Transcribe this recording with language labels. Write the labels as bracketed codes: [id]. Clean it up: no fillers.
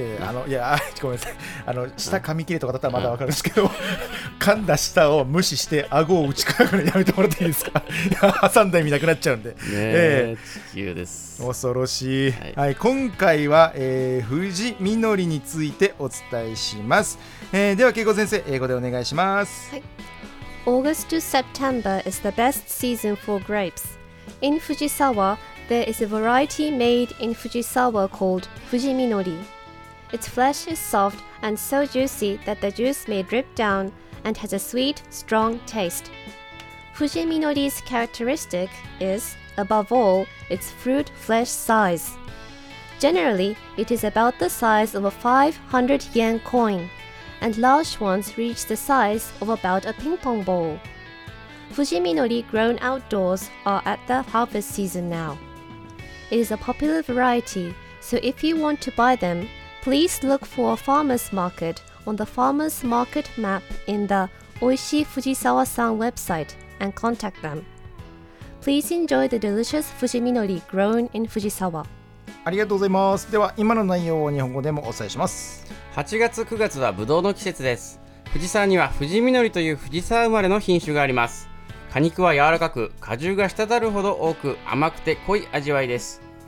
[ja] いやいや、あの、いや、ごめんなさい、あの、下噛み切れとかだったらまだ分かるんですけど、うん、噛んだ舌を無視して顎を打ち砕くのやめてもらっていいですか。挟んだ意味なくなっちゃうんで、ねえ、地球です。恐ろしい、はいはい、今回は、藤みのりについてお伝えします。では恵子先生、英語でお願いします。はい。 [en] August to September is the best season for grapes. In Fujisawa, there is a variety made in Fujisawa called Fuji Minori. Its flesh is soft and so juicy that the juice may drip downand has a sweet, strong taste. Fuji Minori's characteristic is, above all, its fruit flesh size. Generally, it is about the size of a 500 yen coin, and large ones reach the size of about a ping pong ball. Fuji Minori grown outdoors are at the harvest season now. It is a popular variety, so if you want to buy them, please look for a farmer's marketon the farmer's market map in the Oishi Fujisawa-san website and contact them. Please enjoy the delicious Fuji Minori grown in Fujisawa. [ja] ありがとうございます。では今の内容を日本語でもお伝えします。 8月9月はブドウの季節です。富士沢にはフジミノリという富士沢生まれの品種があります。果肉は柔らかく、果汁が滴るほど多く、甘くて濃い味わいです。